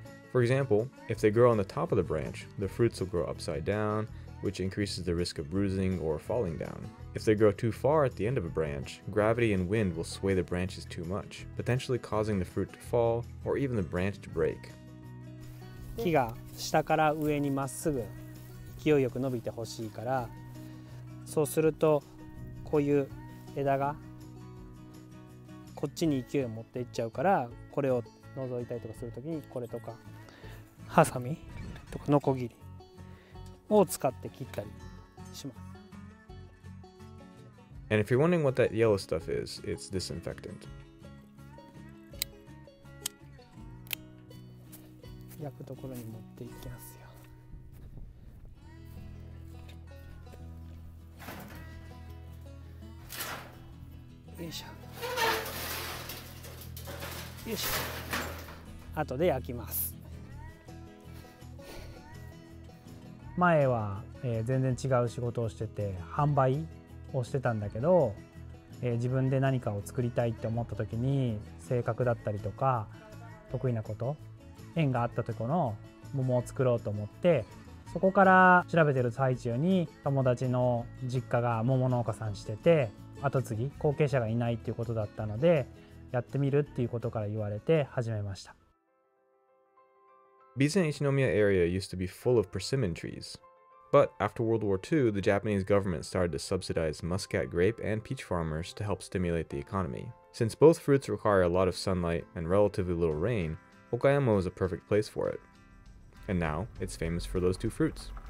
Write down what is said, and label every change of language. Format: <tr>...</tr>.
<en>For example, if they grow on the top of the branch, the fruits will grow upside down, which increases the risk of bruising or falling down. If they grow too far at the end of a branch, gravity and wind will sway the branches too much, potentially causing the fruit to fall or even the branch to break.</en> <ja>木が下から上にまっすぐ勢いよく伸びてほしいから、そうするとこういう枝がこっちに勢いを持っていっちゃうから、これを覗いたりとかするときにこれとかハサミとかノコギリを使って切ったりします。</ja> <en>And if you're wondering what that yellow stuff is, it's disinfectant.</en> <ja>焼くところに持っていきますよ。よいしょ。よし、あとで焼きます。前は、全然違う仕事をしてて販売をしてたんだけど、自分で何かを作りたいって思った時に性格だったりとか得意なこと縁があったところの桃を作ろうと思って、そこから調べてる最中に友達の実家が桃農家さんしてて、後継ぎ後継者がいないっていうことだったので。やってみるっていうことから言われて始めました。</ja> <en>Bizen and Ichinomiya area used to be full of persimmon trees. But after World War II, the Japanese government started to subsidize muscat grape and peach farmers to help stimulate the economy. Since both fruits require a lot of sunlight and relatively little rain, Okayama was a perfect place for it. And now, it's famous for those two fruits.</en>